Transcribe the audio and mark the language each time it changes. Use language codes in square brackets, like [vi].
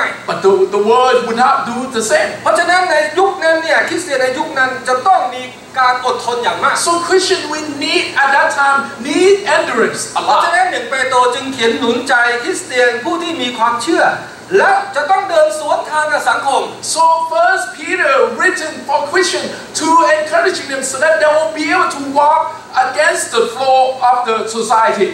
[en] But the world would not do the same. [th] เพราะฉะนั้นในยุคนั้นเนี่ยคริสเตียนในยุคนั้นจะต้องมีการอดทนอย่างมาก [en] So Christian we need at that time need endurance a lot [th] เพราะฉะนั้นหนึ่งเปโตรจึงเขียนหนุนใจคริสเตียนผู้ที่มีความเชื่อและจะต้องเดินสวนทางกับสังคม [en] So first Peter written for Christian to encouraging them so that they will be able to walk against the flow of the society